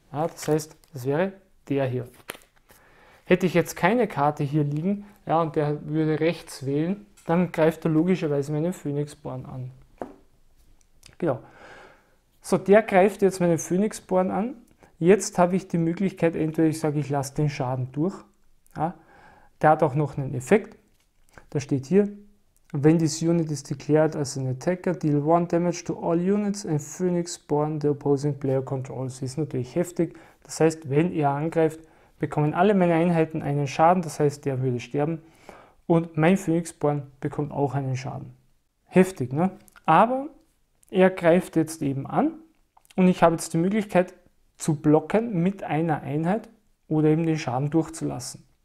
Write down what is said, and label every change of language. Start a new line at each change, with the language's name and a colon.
German: Ja, das heißt, das wäre der hier. Hätte ich jetzt keine Karte hier liegen, ja, und der würde rechts wählen, dann greift er logischerweise meinen Phönixborn an. Genau. So, der greift jetzt meinen Phönixborn an. Jetzt habe ich die Möglichkeit, entweder ich sage, ich lasse den Schaden durch. Ja, der hat auch noch einen Effekt. Da steht hier.
English: When this unit is declared as an attacker, deal one damage to all units and Phoenixborn the opposing player controls.
German: Ist natürlich heftig. Das heißt, wenn er angreift, bekommen alle meine Einheiten einen Schaden. Das heißt, der würde sterben. Und mein Phoenixborn bekommt auch einen Schaden. Heftig, ne? Aber er greift jetzt eben an. Und ich habe jetzt die Möglichkeit zu blocken mit einer Einheit oder eben den Schaden durchzulassen.